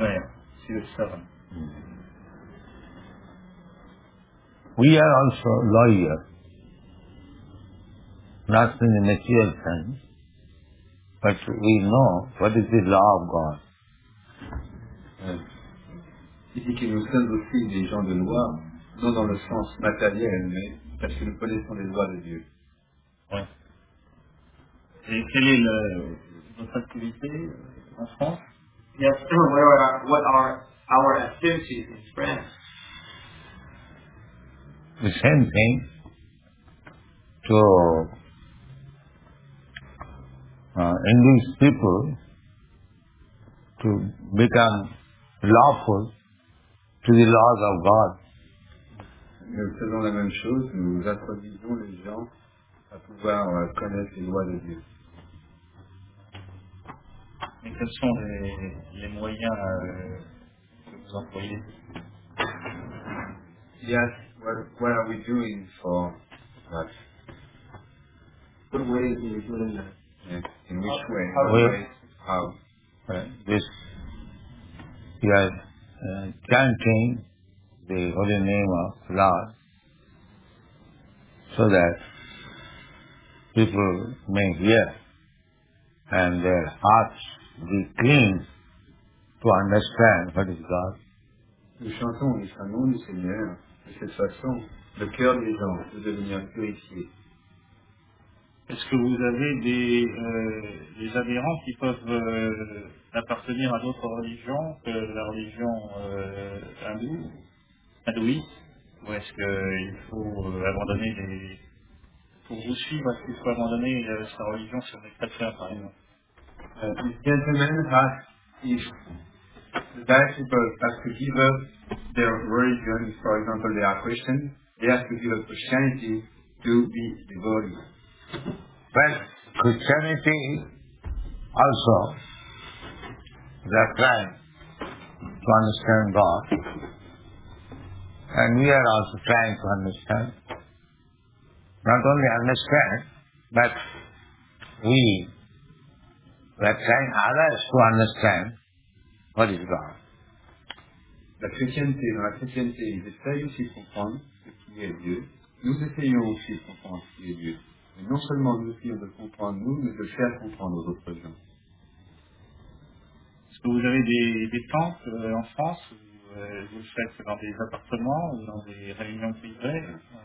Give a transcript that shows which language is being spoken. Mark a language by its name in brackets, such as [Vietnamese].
[French] rien. [English] We are also lawyers. Not in the material sense, but we know what is the law of God. [French] Il dit que nous sommes aussi des gens de loi, non dans le sens matériel, mais parce que nous connaissons les lois de Dieu. Ouais. Et quelle est notre activité en France? [English] Yes, sir. What are our activities in France? The same thing. So, induce people to become lawful to the laws of God. [French] Nous faisons la même chose, nous introduisons les gens à pouvoir connaître les lois de Dieu. Mais quels sont les moyens que vous employez? [English] Yes, what are we doing for that? What way are you doing that? In which way? We are chanting the holy name of Lord so that people may hear and their hearts be clean to understand what is God. [French] Nous chantons le nom du Seigneur de cette façon, le cœur des gens de devenir purifié. Est-ce que vous avez des adhérents qui peuvent appartenir à d'autres religions que la religion hindouiste? Ou est-ce qu'il faut abandonner pour vous suivre, est-ce qu'il faut abandonner sa religion si on est chrétien, par exemple? [English] The gentleman asked if that people have to give up their religion, for example, they are Christian, they have to give up Christianity to be devoted. But Christianity also is a trying to understand God, and we are also trying to understand, not only understand, but we are trying others to understand what is God. [French] La chrétienté, dans la chrétienté, ils essayent aussi de comprendre ce qui est Dieu, nous essayons aussi de comprendre ce qui est Dieu. Et non seulement nous essayons de comprendre nous, mais de faire comprendre aux autres gens. Est-ce que vous avez des temples en France où vous le faites dans des appartements ou dans des réunions privées?